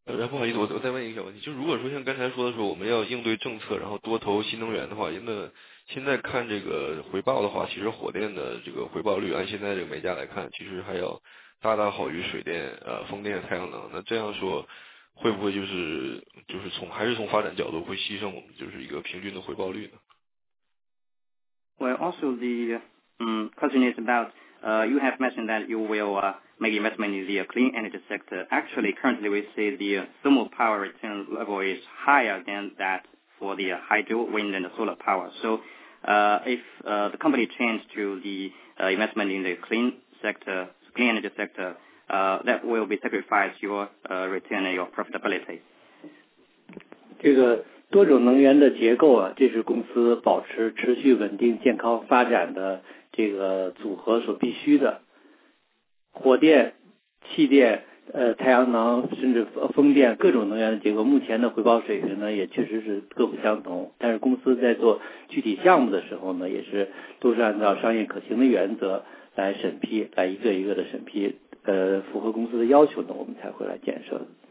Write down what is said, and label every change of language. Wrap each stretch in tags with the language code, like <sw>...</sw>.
<zh>不好意思，我再问一个小问题，就如果说像刚才说的说我们要应对政策然后多投新能源的话，那现在看这个回报的话，其实火电的这个回报率按现在这个煤价来看其实还要大大好于水电风电太阳能，那这样说会不会就是从还是从发展角度会牺牲我们就是一个平均的回报率呢？</zh> <en>Well, also the question is aboutyou have mentioned that you will make investment in the clean energy sector. Actually, currently we see the thermal power return level is higher than that for the hydro, wind, and solar power. So if the company changes to the investment in the clean energy sector, that will be sacrifice your return and your profitability.</en> <zh>这个多种能源的结构啊，这是公司保持持续稳定健康发展的这个组合所必须的。火电、气电、太阳能甚至风电各种能源的结构，目前的回报水平呢也确实是各不相同，但是公司在做具体项目的时候呢也是都是按照商业可行的原则来审批，来一个一个的审批，符合公司的要求呢我们才会来建设。</zh>